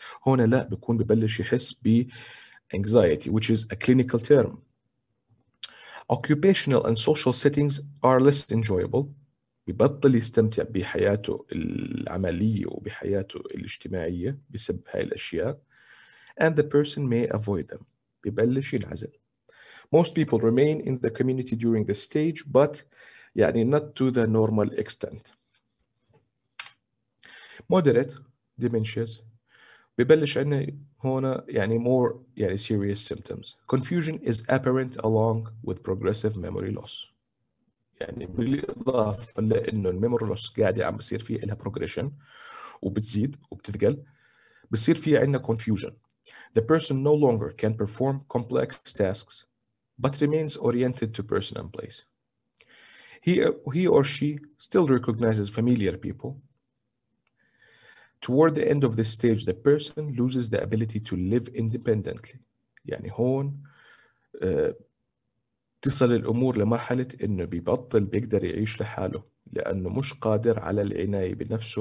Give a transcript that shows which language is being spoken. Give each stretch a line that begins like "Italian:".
Arabic: هنا لا, بيكون ببلش يحس ب
English: anxiety which is a clinical term. Occupational and social settings are less enjoyable.
Arabic: ببطل يستمتع بحياته العملية وبحياته الاجتماعية بسبب هاي الأشياء.
English: And the person may avoid them.
Arabic: ببلش ينعزل.
English: Most people remain in the community during this stage, but يعني not to the normal extent.
Arabic: Moderate dementias. ببلش عندنا هنا يعني more يعني
English: serious symptoms. Confusion is apparent along with progressive memory loss.
Arabic: يعني بالإضافة لأنه الميموري لوس قاعدة عم بصير فيه إلها progression وبتزيد وبتثقل, بصير فيه عندنا confusion.
English: The person no longer can perform complex tasks, but remains oriented to person and place. he or she still recognizes familiar people. Toward the end of this stage, the person loses the ability to live independently.
Arabic: يعني هون تصل الأمور لمرحلة إنه بيبطل بيقدر يعيش لحاله لأنه مش قادر على العناية بنفسه.